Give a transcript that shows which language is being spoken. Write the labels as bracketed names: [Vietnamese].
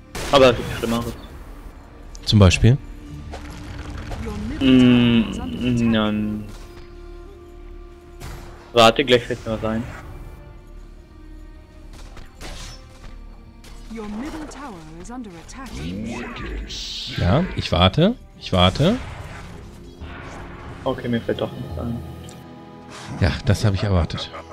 [German] Aber es gibt Schlimmeres. Zum Beispiel? Nein. Warte, gleich fällt mir was ein. [English] Your middle tower is under attack. [German] Ja, ich warte. Ich warte. Okay, mir fällt doch nichts ein. Ja, das habe ich erwartet.